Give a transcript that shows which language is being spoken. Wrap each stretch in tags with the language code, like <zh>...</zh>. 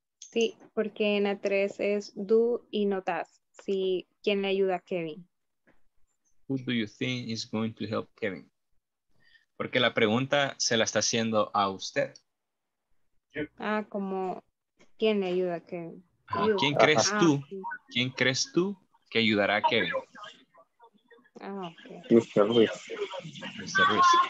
<es>Sí, porque en la 3 es do y no does. Sí, ¿quién le ayuda a Kevin?</es> <en>Who do you think is going to help Kevin?</en> <es>Porque la pregunta se la está haciendo a usted. Ah, como ¿quién le ayuda a Kevin? ¿Quién crees tú? ¿Quién crees tú que ayudará a Kevin? Ah, ok.</es> <en>Mr. Ruiz. Mr. Ruiz.</en>